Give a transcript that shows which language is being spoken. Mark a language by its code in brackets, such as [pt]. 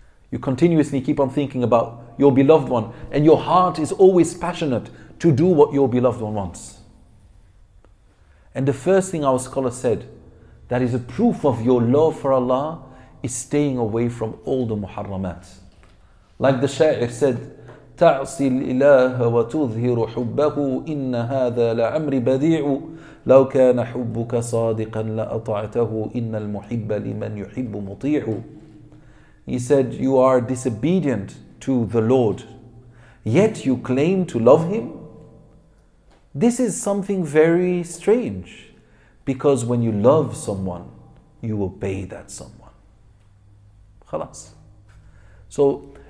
[en] You continuously keep on thinking about your beloved one, and your heart is always passionate to do what your beloved one wants. And the first thing our scholar said, that is a proof of your love for Allah, is staying away from all the muharramat. Like the sha'ir said, [ar] تعصي الإله وتظهر حبه إن هذا لعمر بديع لو كان حبك صادقا لأطعته إن المحب لمن يحب مطيع. [en] He said, you are disobedient to the Lord, yet you claim to love Him? This is something very strange, because when you love someone, you obey that someone. خلاص. So